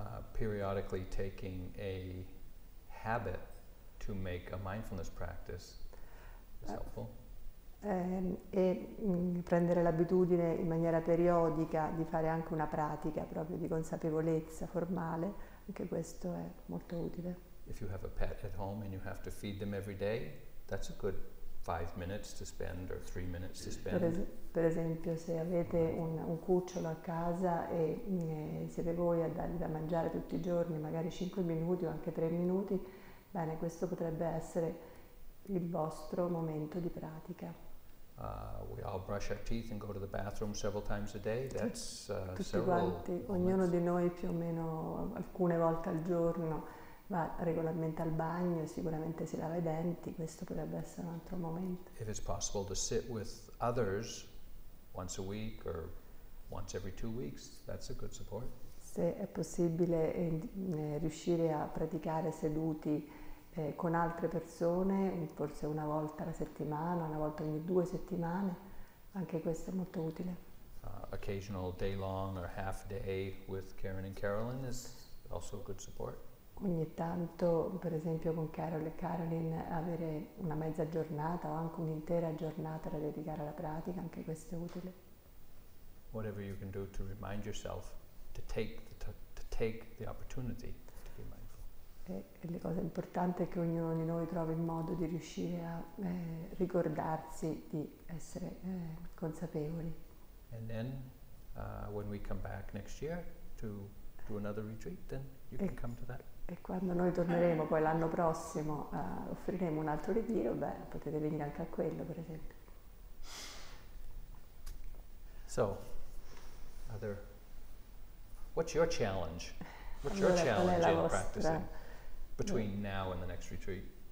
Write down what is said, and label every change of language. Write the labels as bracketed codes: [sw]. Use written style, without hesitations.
[en] Periodically taking a habit to make a mindfulness practice. [it] Prendere l'abitudine in maniera periodica di fare anche una pratica proprio di consapevolezza formale, anche questo è molto utile. [en] If you have a pet at home and you have to feed them every day, that's a good 5 minutes to spend or 3 minutes to spend. [it] Per esempio, se avete un cucciolo a casa e siete voi a dargli da mangiare tutti i giorni, magari 5 minuti o anche 3 minuti, bene, questo potrebbe essere il vostro momento di pratica. [en] We all brush our teeth and go to the bathroom several times a day. That's [it] ognuno di noi più o meno alcune volte al giorno va regolarmente al bagno e sicuramente si lava i denti. Questo potrebbe essere un altro momento. [en] If it's possible to sit with others once a week or once every 2 weeks, that's a good support. [it] Se è possibile riuscire a praticare seduti con altre persone, forse una volta alla settimana, una volta ogni 2 settimane, anche questo è molto utile. [en] Occasional day long or half day with Karen and Carolyn is also a good support. [it] Ogni tanto, per esempio, con Carol e Caroline, avere una mezza giornata o anche un'intera giornata da dedicare alla pratica, anche questo è utile. [en] Whatever you can do to remind yourself to take the opportunity to be mindful. [it] E la cosa importante è che ognuno di noi trovi il modo di riuscire a ricordarsi di essere consapevoli. [en] And then, when we come back next year to do another retreat, then you can come to that. [it] E quando noi torneremo poi l'anno prossimo, offriremo un altro ritiro, beh, potete venire anche a quello, per esempio. [en] So, other, what's your challenge? What's [it] allora, [en] your challenge [it] qual è la [en] in [it] vostra [en] practicing between now and the next retreat?